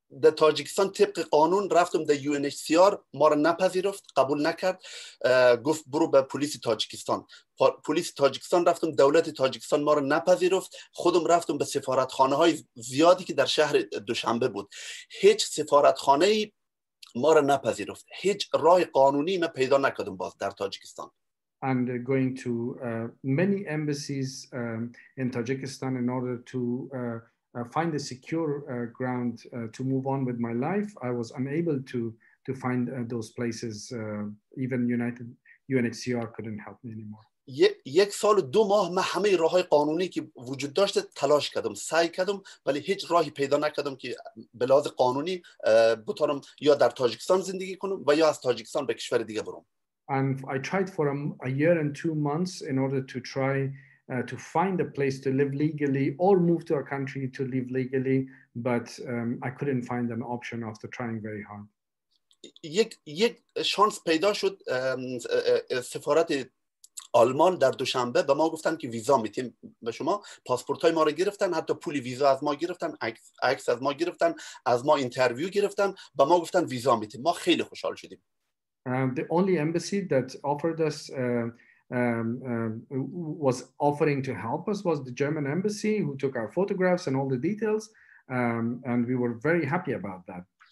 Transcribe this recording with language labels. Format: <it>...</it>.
<fa>در تاجیکستان طبق قانون رفتم در UNHCR ما را نپذیرفت قبول نکرد گفت برو به پلیس تاجیکستان پلیس تاجیکستان رفتم دولت تاجیکستان ما را نپذیرفت خودم رفتم به سفارتخانه های زیادی که در شهر دوشنبه بود هیچ سفارتخانه ای ما را نپذیرفت هیچ راه قانونی من پیدا نکردم باز در تاجیکستان</fa> <en>And going to many embassies in Tajikistan in order to find a secure ground to move on with my life, I was unable to find those places. Even United UNHCR couldn't help me anymore.</en> <fa>یک سال و دو ماه من همه راه‌های قانونی که وجود داشت تلاش کردم سعی کردم ولی هیچ راهی پیدا نکردم که به لحاظ قانونی بتونم یا در تاجیکستان زندگی کنم و یا از تاجیکستان به کشور دیگه برم.</fa> <en>And I tried for a year and 2 months in order to try to find a place to live legally or move to a country to live legally, but I couldn't find an option after trying very hard.</en> <fa>یک شانس پیدا شد سفارت آلمان در دوشنبه به ما گفتن که ویزا میتیم به شما پاسپورت های ما رو گرفتن حتی پول ویزا از ما گرفتن عکس از ما گرفتن از ما اینترویو گرفتن به ما گفتن ویزا میتیم ما خیلی خوشحال شدیم</fa> <en>The only embassy that offered us was offering to help us was the German embassy who took our photographs and all the details and we were very happy about that.</en>